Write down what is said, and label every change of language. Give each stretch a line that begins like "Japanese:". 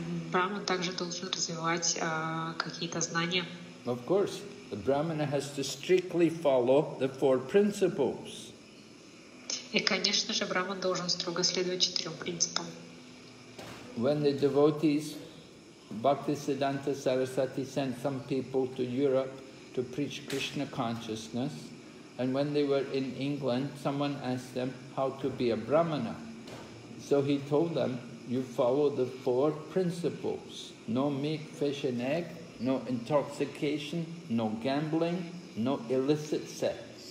Russian: Brahman также должен развивать какие-то знания.
English: Of course, the Brahmana has to strictly follow the four principles.
Russian: И, конечно же, Брахман должен строго следовать четырем принципам.
English: When the devotees Bhaktisiddhanta Sarasvati sent some people to Europe to preach Krishna consciousness, and when they were in England, someone asked them how to be a brahmana. So he told them, you follow the four principles: no meat, fish and egg, no intoxication, no gambling, no illicit sex.